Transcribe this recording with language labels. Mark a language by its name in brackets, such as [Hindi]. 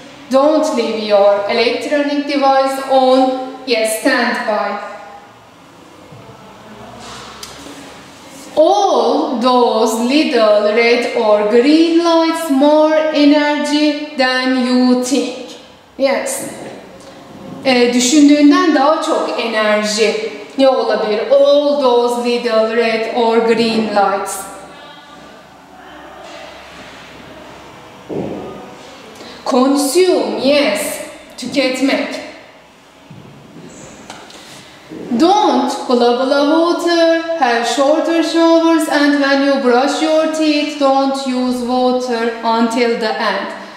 [English] Don't leave your electronic device on, yes, standby. All those little red or green lights more energy than you think. Yes. [Turkish] Düşündüğünden daha çok enerji. Ne olabilir? [English] All those little red or green lights. Consume, yes. Tüketmek. Don't blah blah water, have shorter showers, and when you brush your teeth, don't use water until the end.